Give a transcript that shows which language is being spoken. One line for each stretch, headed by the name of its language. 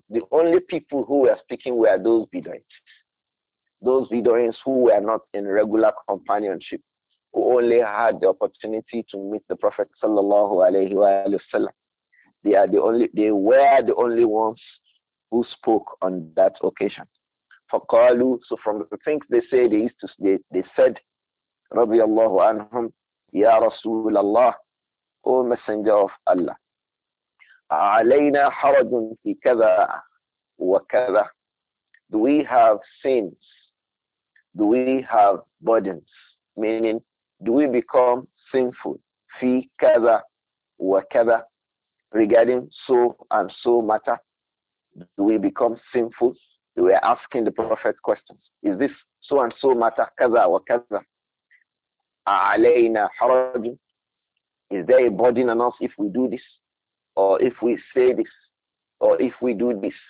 English: The only people who were speaking were those Bedouins. Those Bedouins who were not in regular companionship, who only had the opportunity to meet the Prophet sallallahu alaihi wasallam. They were the only ones who spoke on that occasion.
Arabic: فقالوا.
English: So from the things they said.
Arabic: رضي الله عنهم يا رسول الله
English: O Messenger of Allah
Arabic: علينا حرج في كذا وكذا.
English: Do we have sins do we have burdens, meaning do we become sinful,
Arabic: fi kaza wa kaza,
English: regarding so and so matter, do we become sinful? They were asking the Prophet questions. Is this so and so matter,
Arabic: kaza wa kaza, alayna haraj,
English: is there a burden on us if we do this, or if we say this, or if we do this?